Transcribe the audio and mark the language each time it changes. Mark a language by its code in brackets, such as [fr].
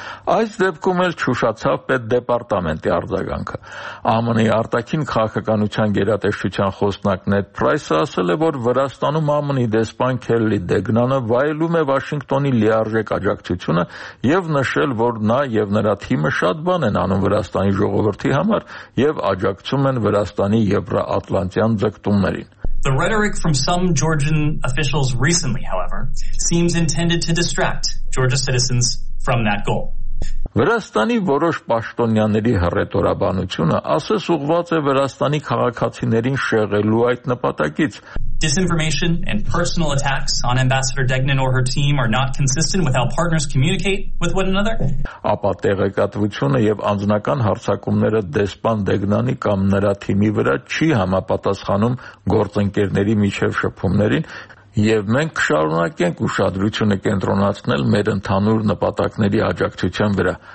[hy] Այս դեպքում էլ չուշացավ պետ դեպարտամենտի արձագանքը։ ԱՄՆ-ի արտաքին քաղաքականության գերատեսչության խոսնակ Նետ Պրայսը ասել է, որ Վրաստանում ԱՄՆ-ի դեսպան Քելլի Դեգնանը վայելում է Վաշինգտոնի լիարժեք աջակցությունը և նշել, որ նա և նրա թիմը շատ բան են անում Վրաստանի ժողովրդի համար և աջակցում են Վրաստանի Եվրա-Ատլանտյան ձգտումներին։ [en] The rhetoric from some Georgian officials recently, however, seems intended to distract Georgia citizens from that goal. [hy] Վրաստանի որոշ պաշտոնյաների հռետորաբանությունը ասես ուղված է Վրաստանի քաղաքացիներին շեղելու այդ նպատակից. [en] Disinformation and personal attacks on Ambassador Degnan or her team are not consistent with how partners communicate with one another. [hy] Ապա տեղեկատվությունը եւ անձնական հարցակումները դեսպան Դեգնանի կամ նրա թիմի վրա չի համապատասխանում գործընկերների միջև շփումներին, և մենք կշարունակենք ուշադրությունը կենտրոնացնել մեր ընդհանուր նպատակների աջակցության վրա,